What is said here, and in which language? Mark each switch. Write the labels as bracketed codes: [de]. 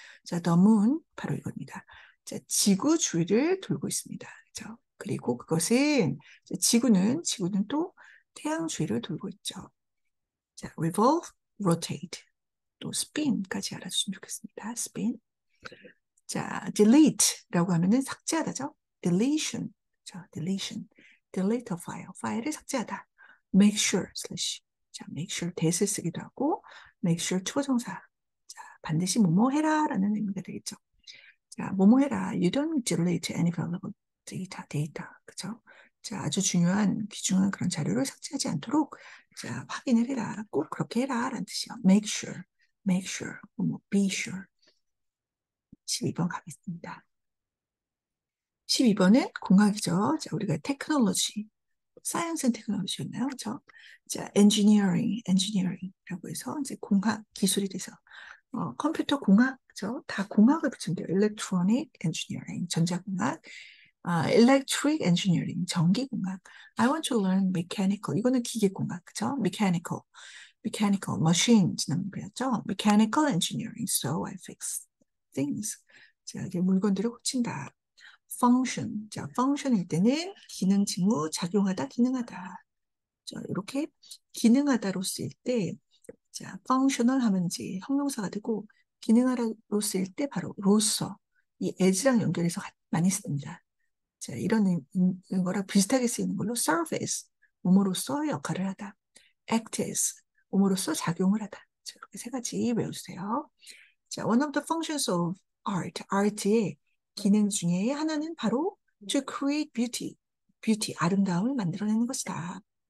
[ko] 자, the moon 바로 이겁니다. 자, 지구 주위를 돌고 있습니다. 그렇죠? 그리고 그것은 지구는 또 태양 주위를 돌고 있죠. 자, revolve. Rotate, 또 spin까지 알아주시면 좋겠습니다. [en] spin. [ko] 자, delete라고 하면은 삭제하다죠. [en] deletion, 자, deletion, delete a file, [ko] 파일을 삭제하다. make sure slash, 자, make sure that을 쓰기도 하고, make sure 추가정사, 자, 반드시 뭐뭐 해라라는 의미가 되겠죠. [en] 자, [ko] 뭐뭐 해라, [en] you don't delete any valuable data, 그렇죠? [ko] 자, 아주 중요한 귀중한 그런 자료를 삭제하지 않도록. 자, 확인을 해라. 꼭 그렇게 해라. 라는 뜻이요. [en] Make sure. Make sure. [ko] 뭐, be sure. 12번 가겠습니다. 12번은 공학이죠. 자, 우리가 technology. [en] Science and technology였나요? [ko] 그렇죠? 자, engineering이라고 해서 이제 공학, 기술이 돼서. 컴퓨터 공학. 그렇죠? 다 공학을 붙인대요. [en] Electronic engineering. [ko] 전자공학. [en] Electric engineering, 전기공학. I want to learn mechanical. [ko] 이거는 기계공학, 그쵸? Mechanical, machine, 지난번에 배웠죠? [en] Mechanical engineering, so I fix things. [ko] 자, 이게 물건들을 고친다. Function, 자, function일 때는 기능, 직무, 작용하다, 기능하다. 자, 이렇게 기능하다로 쓰일 때, 자, functional 하면 이제 형용사가 되고, 기능하다로 쓰일 때 바로 로서, 이 as랑 연결해서 많이 씁니다. 자, 이런 거랑 비슷하게 쓰이는 걸로 service, 몸으로서 역할을 하다. act as, 몸으로서 작용을 하다. 자, 이렇게 세 가지 외우세요. [en] 자, one of the functions of art, art의 [ko] 기능 중에 하나는 바로 [en] to create beauty, [ko] 아름다움을 만들어내는 것이다.